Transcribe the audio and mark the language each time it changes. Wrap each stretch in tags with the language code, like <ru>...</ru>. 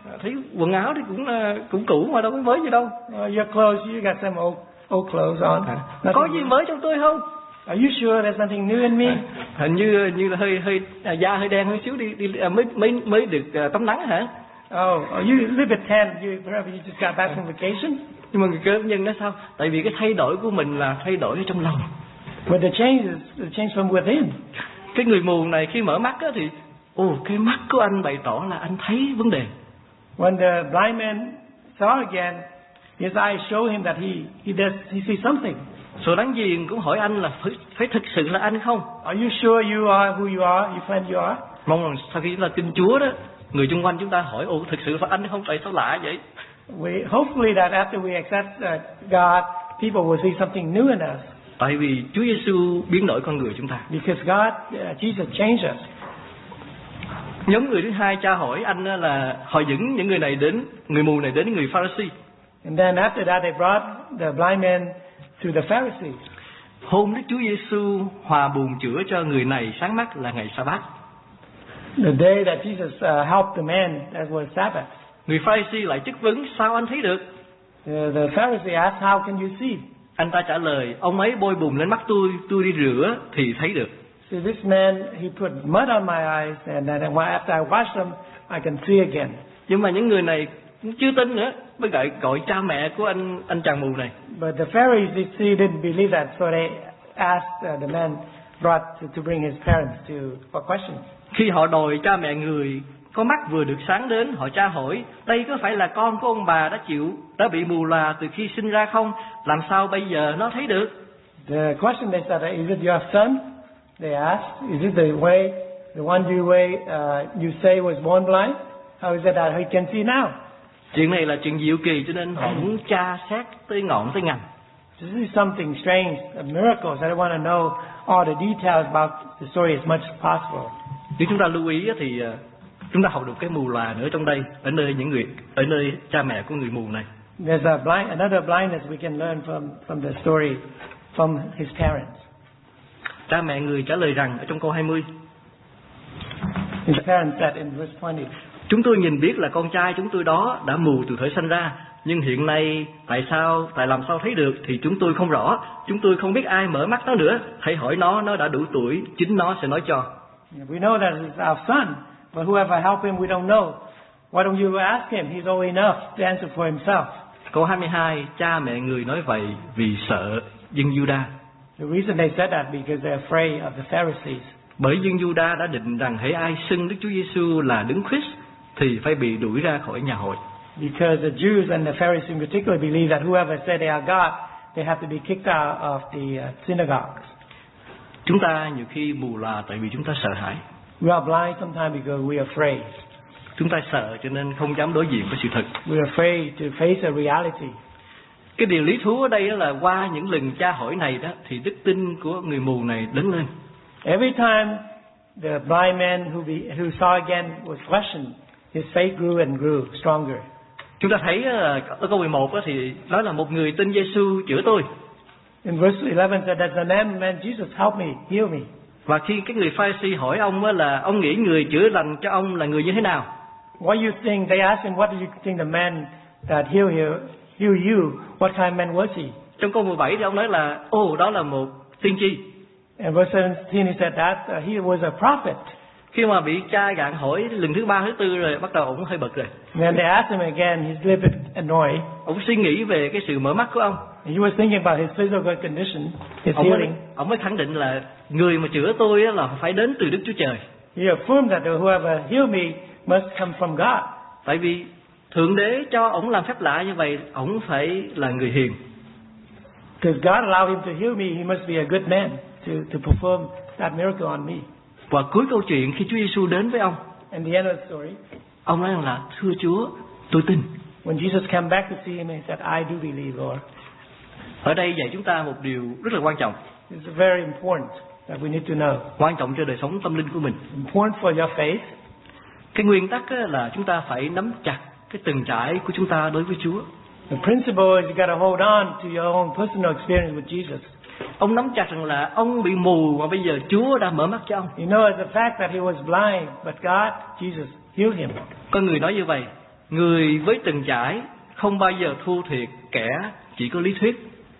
<vi>Thấy quần áo thì cũng cũng cũ mà đâu có mới gì đâu.</vi> <en>Your clothes, you got some old clothes on.</en> <vi>Có gì mới trong tôi không?</vi> <en>Are you sure there's nothing new in me?</en> <vi>Hình như là hơi da hơi đen hơn xíu đi mới được tắm nắng hả?</vi> <en>Oh, you live at 10, you just got back from vacation.</en> <vi>Nhưng mà người cơ nhân nói sao? Tại vì cái thay đổi của mình là thay đổi ở trong lòng.</vi> <en>But the change from within.</en> <vi>Cái người mù này khi mở mắt á thì cái mắt của anh bày tỏ là anh thấy vấn đề.</vi> <en>When the blind man saw again, his eyes show him that he sees something.</en> <vi>Sự láng giềng cũng hỏi anh là phải thực sự là anh không?</vi> <en>Are you sure you are who you are, your friend you are?</en> <vi>Mong rằng sau khi là tin Chúa đó, người xung quanh chúng ta hỏi thực sự là anh không? Tại sao lạ vậy?</vi> <en>We hopefully that after we accept God, people will see something new in us.</en> <vi>Tại vì Chúa Giêsu biến đổi con người chúng ta.</vi> <en>Because God, Jesus changed us.</en> <vi>Nhóm người thứ hai cha hỏi anh là họ dẫn những người này đến, người mù này đến người Pharisee.</vi> <en>And then after that they brought the blind man to the Pharisee.</en> <vi>Hôm Đức Chúa Giêsu hòa buồn chữa cho người này sáng mắt là ngày Sa-bát.</vi> <en>The day that Jesus helped the man, that was Sabbath.</en> <vi>Người Pharisee lại chất vấn sao anh thấy được?</vi> <en>The Pharisee asked, how can you see?</en> <vi>Anh ta trả lời, ông ấy bôi bùn lên mắt tôi đi rửa thì thấy được.</vi> <en>So this man, he put mud on my eyes and then after I wash them, I can see again.</en> <vi>Nhưng mà những người này chưa tin nữa, mới gọi cha mẹ của anh chàng mù này.</vi> <en>But the Pharisees didn't believe that, so they asked the man brought to bring his parents to for questions.</en> <vi>Khi họ đòi cha mẹ người có mắt vừa được sáng đến, họ tra hỏi, đây có phải là con của ông bà đã bị mù lòa từ khi sinh ra không? Làm sao bây giờ nó thấy được?</vi> <en>The question they said, is it your son? They asked, is it the one you say was born blind? How is it that he can see now?</en> <vi>Chuyện này là chuyện diệu kỳ cho nên họ muốn tra xét tới ngọn tới ngành.</vi> <en>This is something strange, a miracle, so they want to know all the details about the story as much as possible.</en> <vi>Nếu chúng ta lưu ý thì chúng ta học được cái mù lòa nữa trong đây, ở nơi cha mẹ của người mù này.</vi> <en>There's a blind, another blindness we can learn from the story from his parents.</en> <vi>Cha mẹ người trả lời rằng ở trong câu 20.</vi> <en>His parents said in verse 20.</en> <vi>Chúng tôi nhìn biết là con trai chúng tôi đó đã mù từ thời sinh ra, nhưng hiện nay tại làm sao thấy được thì chúng tôi không rõ. Chúng tôi không biết ai mở mắt nó nữa. Hãy hỏi nó đã đủ tuổi, chính nó sẽ nói cho.</vi> <en>We know that it's our son, but whoever helped him, we don't know. Why don't you ask him? He's old enough to answer for himself.</en> <vi>Câu 22, cha mẹ người nói vậy vì sợ dân Giuđa.</vi> <en>The reason they said that because they're afraid of the Pharisees.</en> <vi>Bởi dân Giuđa đã định rằng hễ ai xưng Đức Chúa Giêsu là Đấng Christ thì phải bị đuổi ra khỏi nhà hội.</vi> <en>Because the Jews and the Pharisees in particular believe that whoever said they are God, they have to be kicked out of the synagogues.</en> <vi>Chúng ta nhiều khi mù lòa tại vì chúng ta sợ hãi.</vi> <en>We are blind sometimes because we are afraid.</en> <vi>Chúng ta sợ cho nên không dám đối diện với sự thật.</vi> <en>We are afraid to face a reality.</en> <vi>Cái điều lý thú ở đây là qua những lần tra hỏi này đó thì đức tin của người mù này lớn lên.</vi> <en>Every time the blind man who saw again was questioned, his faith grew and grew stronger.</en> <vi>Chúng ta thấy ở câu 11 thì nói là một người tin Giê-xu chữa tôi.</vi> <en>In verse 11 said that the man Jesus help me, heal me.</en> <vi>Và khi cái người Pharisee hỏi ông là ông nghĩ người chữa lành cho ông là người như thế nào?</vi> <en>What do you think? They asked him, what do you think the man that healed you, what kind of man was he?</en> <vi>Trong câu 17 thì ông nói là, đó là một tiên tri.</vi> <en>In verse 17 he said that he was a prophet.</en> <vi>Khi mà bị cha gạn hỏi lần thứ ba, thứ tư rồi, bắt đầu ổng hơi bực rồi.</vi> <en>Then they asked him again, he's a little bit annoyed.</en> <vi>Ổng suy nghĩ về cái sự mở mắt của ông.</vi> <en>He was thinking about his physical condition, his healing.</en> <vi>Ổng mới khẳng định là người mà chữa tôi là phải đến từ Đức Chúa Trời.</vi> <en>He affirmed that whoever healed me must come from God.</en> <vi>Tại vì Thượng Đế cho ổng làm phép lạ như vậy, ổng phải là người hiền.</vi> <en>Because God allowed him to heal me, he must be a good man to perform that miracle on me.</en> <vi>Và cuối câu chuyện khi Chúa Giêsu đến với ông,</vi> <en>and the end of the story,</en> <vi>ông nói rằng là thưa Chúa, tôi tin.</vi> <en>When Jesus came back to see him, he said, I do believe, Lord.</en> <vi>Ở đây dạy chúng ta một điều rất là quan trọng.</vi> <en>It's very important that we need to know.</en> <vi>Quan trọng cho đời sống tâm linh của mình.</vi> <en>Important for your faith.</en> <vi>Cái nguyên tắc là chúng ta phải nắm chặt cái từng trải của chúng ta đối với Chúa.</vi> <en>The principle is you got to hold on to your own personal experience with Jesus.</en> <vi>Ông nắm chặt rằng là ông bị mù mà bây giờ Chúa đã mở mắt cho ông.</vi> <en>You know the fact that he was blind, but God, Jesus, healed him.</en> <vi>Có người nói như vậy, người với từng trải không bao giờ thua thiệt kẻ chỉ có lý thuyết.</vi>